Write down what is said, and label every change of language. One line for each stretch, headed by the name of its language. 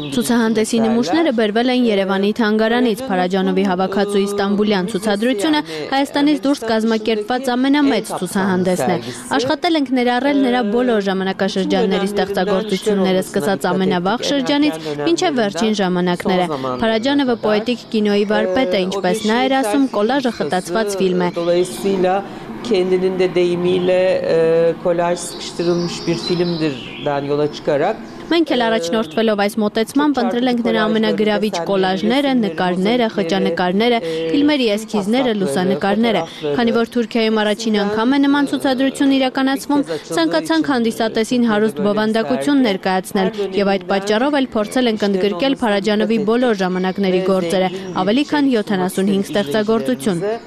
Armenian: ցուցահանդեսի նմուշները բերվել են Երևանի թանգարանից։ Փարաջանովի հավաքածուի Ստամբուլյան ցուցադրությունը Հայաստանից դուրս կազմակերպել երբաց ամենամեծ ցուցահանդեսն է։ Աշխատել ենք ներառել նրա բոլոր ժամանակաշրջանների ստեղծագործությունները, սկսած ամենավաղ շրջանից մինչև վերջին ժամանակները։ Փարաջանովը պոետիկ կինոյի վարպետ է, ինչպես նա էր ասում, կոլաժը խտացված ֆիլմ է։
Turkish: kendinin de deyimiyle kolaj sıkıştırılmış bir filmdirden yola çıkarak.
Armenian: Մենք էլ առաջնորդվելով այս մոտեցմամբ ընտրել ենք նրա ամենագրավիչ կոլաժները, նկարները, խճանկարները, ֆիլմերի էսքիզները, լուսանկարները։ Քանի որ Թուրքիայում առաջին անգամ է նման ցուցադրություն իրականացվում, ցանկացանք հանդիսատեսին հարուստ բովանդակություն ներկայացնել, եւ այդ պատճառով էլ փորձել ենք ընդգրկել Փարաջանովի բոլոր ժամանակների գործերը, ավելի քան 75 ստեղծագործություն։